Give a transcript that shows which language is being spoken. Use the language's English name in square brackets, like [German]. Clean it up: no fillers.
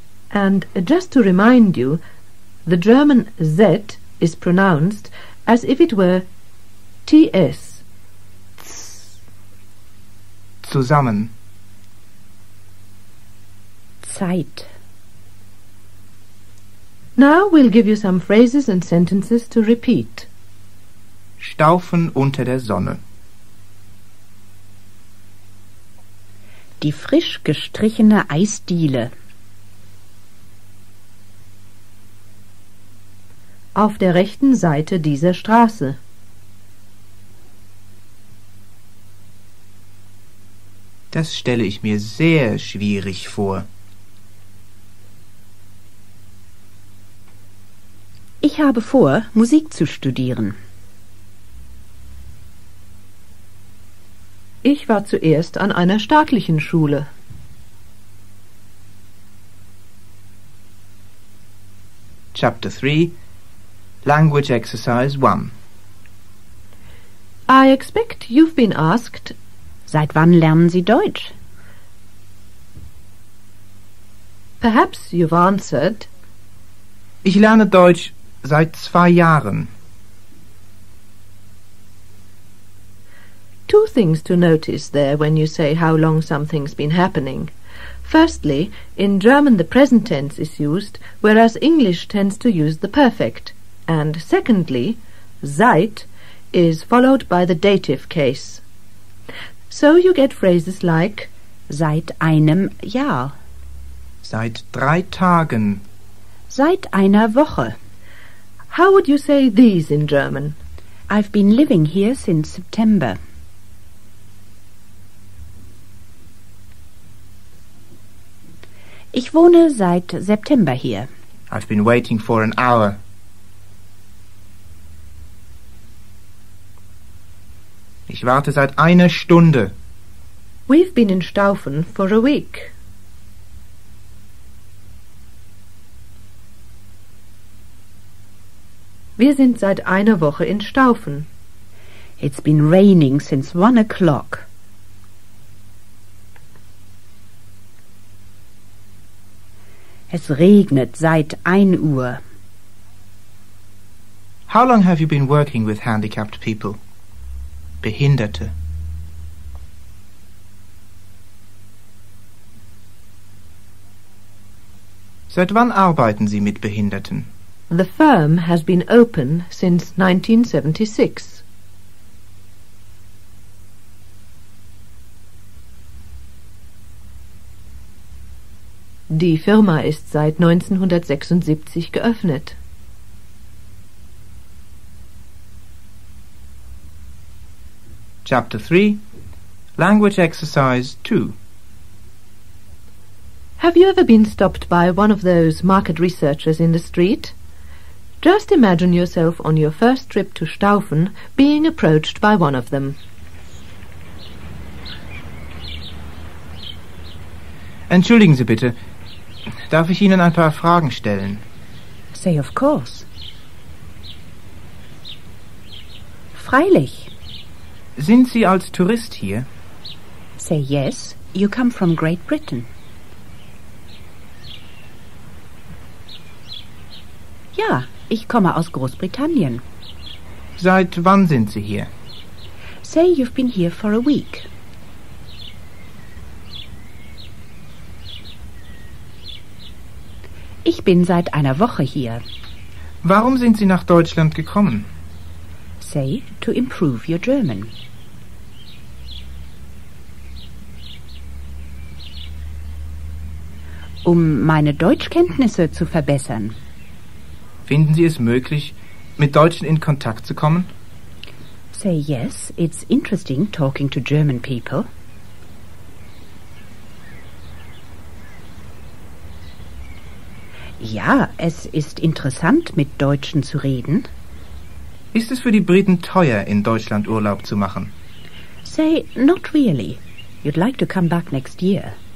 [English] And just to remind you, the German Z is pronounced as if it were TS. [German] Zusammen. Zeit. [English] Now we'll give you some phrases and sentences to repeat. [German] Staufen unter der Sonne. Die frisch gestrichene Eisdiele. Auf der rechten Seite dieser Straße. Das stelle ich mir sehr schwierig vor. Ich habe vor, Musik zu studieren. Ich war zuerst an einer staatlichen Schule. [English] Chapter 3, Language Exercise 1. I expect you've been asked, [German] seit wann lernen Sie Deutsch? [English] Perhaps you've answered. [German] Ich lerne Deutsch seit 2 Jahren. [English] 2 things to notice there when you say how long something's been happening. Firstly, in German the present tense is used, whereas English tends to use the perfect. And secondly, seit is followed by the dative case. So you get phrases like [German] seit einem Jahr, seit 3 Tagen, seit einer Woche. [English] How would you say these in German? I've been living here since September. [German] Ich wohne seit September hier. [English] I've been waiting for an hour. [German] Ich warte seit einer Stunde. [English] We've been in Staufen for a week. [German] Wir sind seit einer Woche in Staufen. [English] It's been raining since 1 o'clock. [German] Es regnet seit 1 Uhr. [English] How long have you been working with handicapped people? [German] Behinderte. Seit wann arbeiten Sie mit Behinderten? [English] The firm has been open since 1976. [German] Die Firma ist seit 1976 geöffnet. [English] Chapter 3, Language Exercise 2. Have you ever been stopped by one of those market researchers in the street? Just imagine yourself on your first trip to Staufen being approached by one of them. [German] Entschuldigen Sie bitte, darf ich Ihnen ein paar Fragen stellen? [English] Say of course. [German] Freilich. Sind Sie als Tourist hier? [English] Say yes, you come from Great Britain. [German] Ja, ich komme aus Großbritannien. Seit wann sind Sie hier? [English] Say you've been here for a week. [German] Ich bin seit einer Woche hier. Warum sind Sie nach Deutschland gekommen? [English] Say to improve your German. [German] Um meine Deutschkenntnisse zu verbessern. Finden Sie es möglich, mit Deutschen in Kontakt zu kommen? [English] Say yes, it's interesting talking to German people. [German] Ja, es ist interessant, mit Deutschen zu reden. Ist es für die Briten teuer, in Deutschland Urlaub zu machen? [English] Say, not really. You'd like to come back next year.